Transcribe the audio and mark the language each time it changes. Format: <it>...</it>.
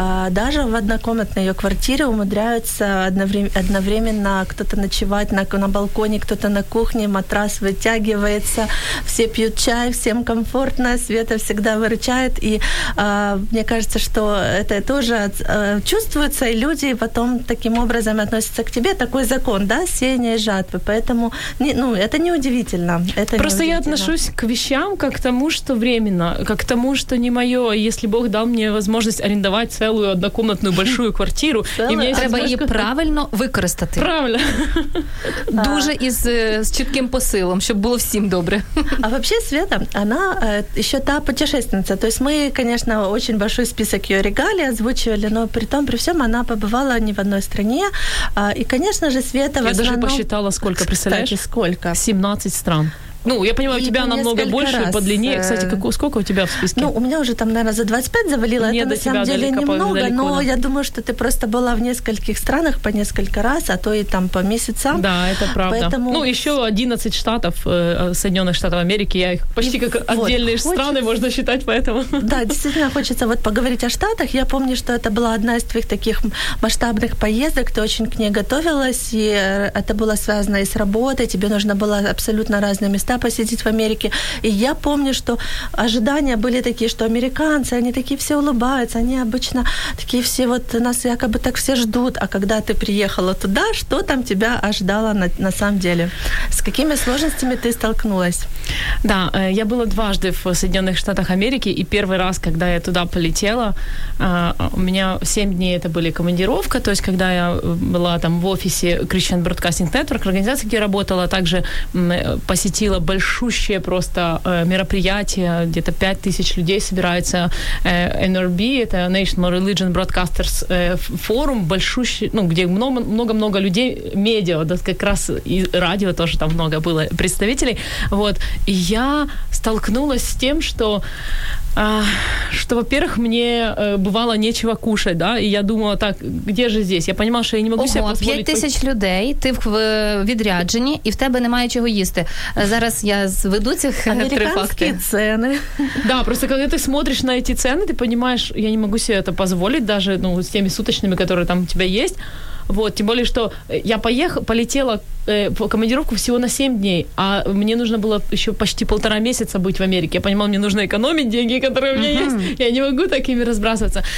<uk>Навіть в однокомнатній її квартирі умудряються одновременно хтось ночувати на балконі, хтось на кухні, матрас витягується, всі п'ють чай, всім комфортно, Света завжди виручає. І мені здається, що це</uk> <ru>тоже чувствуются, и люди потом таким образом относятся к тебе. Такой закон, да, сеяние жатвы. Поэтому, не, ну, это неудивительно. Это просто неудивительно. Я отношусь к вещам как к тому, что временно, как к тому, что не мое. Если Бог дал мне возможность арендовать целую однокомнатную большую квартиру,</ru> <uk>и мне треба її правильно використати. Правильно. Дуже із чітким посилом, щоб було всім добре.</uk> <ru>А вообще Света, она еще та путешественница. То есть мы, конечно, очень большой список ее регалий озвучивали, но при том, при всем, она побывала не в одной стране. И, конечно же, Света в основном... Я даже посчитала, сколько, представляешь? Кстати, сколько? 17 стран. Ну, я понимаю, у тебя намного больше, по длине. Кстати, сколько у тебя в списке? Ну, у меня уже там, наверное, за 25 завалило. Это на самом деле немного, но я думаю, что ты просто была в нескольких странах по несколько раз, а то и там по месяцам. Да, это правда. Поэтому... Ну, еще 11 штатов Соединенных Штатов Америки, я их почти как отдельные страны можно считать, поэтому... Да, действительно, хочется вот поговорить о Штатах. Я помню, что это была одна из твоих таких масштабных поездок, ты очень к ней готовилась, и это было связано и с работой, тебе нужно было абсолютно разными странами посетить в Америке. И я помню, что ожидания были такие, что американцы, они такие все улыбаются, они обычно такие все вот нас якобы так все ждут. А когда ты приехала туда, что там тебя ожидало на самом деле? С какими сложностями ты столкнулась? Да, я была дважды в Соединенных Штатах Америки, и первый раз, когда я туда полетела, у меня 7 дней это были командировка, то есть когда я была там в офисе Christian Broadcasting Network, организация, где я работала, также посетила большущее просто мероприятие, где-то 5000 людей собираются, NRB, это National Religion Broadcasters Forum, большущий, ну, где много-много людей, медиа, да, как раз и радио тоже там много было представителей, вот, и я столкнулась с тем, что что, во-первых, мне бывало нечего кушать, да, и я думала, так, где же здесь? Я понимала, что я не могу себе позволить...</ru> <uk>5 тысяч людей, ты в відрядженні, и в тебе немає чего їсти. Зараз я зведу цих три факти.</uk> <ru>Цены. Да, просто когда ты смотришь на эти цены, ты понимаешь, я не могу себе это позволить, даже ну, с теми суточными, которые там у тебя есть. Вот, тем более, что я полетела в командировку всего на 7 дней, а мне нужно было еще почти полтора месяца быть в Америке. Я понимала, мне нужно экономить деньги, которые у меня есть. Я не могу такими разбрасываться.</ru>